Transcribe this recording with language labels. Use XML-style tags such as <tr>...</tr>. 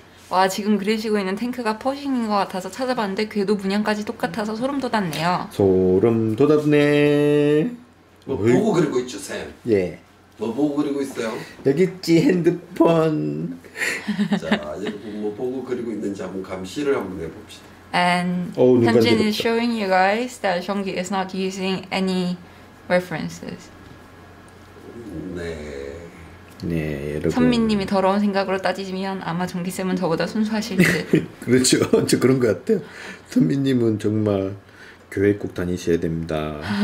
<ko>와 지금 그리시고 있는 탱크가 퍼싱인 것 같아서 찾아봤는데 궤도 문양까지 똑같아서 소름 돋았네요. 소름 돋았네. 뭐 보고 그리고 있죠 쌤? 예. 뭐 보고 그리고 있어요? 여기 있지 핸드폰. 자 여러분 뭐 보고 그리고 있는지 한번 감시를 한번 해봅시다.</ko> <en>And 현진 is showing you guys that 정기 is not using any references.</en> <ko>네. 네 여러분. 선미님이 더러운 생각으로 따지면 아마 정기 쌤은 저보다 순수하실 듯. 그렇죠. 저 그런 것 같아요. 선미님은 정말 교회 꼭 다니셔야 됩니다.</ko>